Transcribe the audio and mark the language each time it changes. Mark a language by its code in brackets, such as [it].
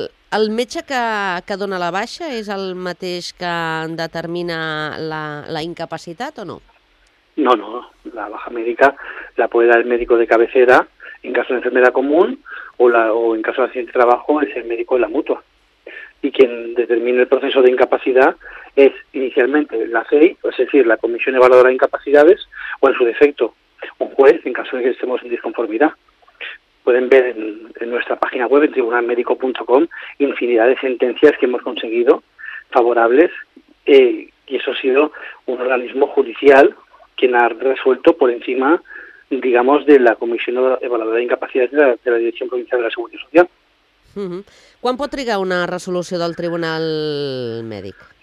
[ca] El metge que dona la baixa és el mateix que determina la incapacitat o no? [es] No, la baja médica la puede dar el médico de cabecera en caso de enfermedad común o en caso de accidente de trabajo es el médico de la mutua. Y quien determina el proceso de incapacidad es inicialmente la CEI, es decir, la Comisión Evaluadora de Incapacidades, o en su defecto, un juez, en caso de que estemos en disconformidad. Pueden ver en nuestra página web, en tribunalmedico.com, infinidad de sentencias que hemos conseguido favorables, y eso ha sido un organismo judicial quien ha resuelto por encima, digamos, de la Comisión Evaluadora de Incapacidades de la Dirección Provincial de la Seguridad Social. [ca] Quan pot trigar una resolució del Tribunal Mèdic?